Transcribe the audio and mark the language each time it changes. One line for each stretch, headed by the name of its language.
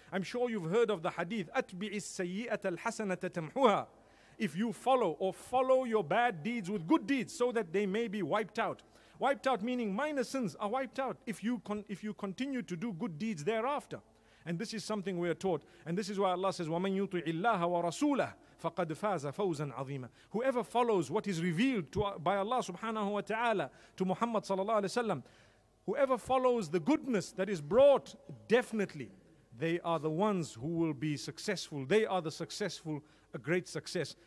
English: I'm sure you've heard of the hadith,
Arabic: أَتْبِعِ السَّيِّئَةَ الْحَسَنَةَ تَمْحُهَا.
English: If you follow your bad deeds with good deeds so that they may be wiped out. Wiped out meaning minor sins are wiped out if you continue to do good deeds thereafter. And this is something we are taught. And this is why Allah says,
Arabic: وَمَنْ يُطِعِ اللَّهَ وَرَسُولَهُ فَقَدْ فَازَ فَوْزًا عَظِيمًا.
English: Whoever follows what is revealed by Allah subhanahu wa ta'ala to Muhammad sallallahu alayhi wa sallam, whoever follows the goodness that is brought, definitely they are the ones who will be successful. They are the successful, a great success.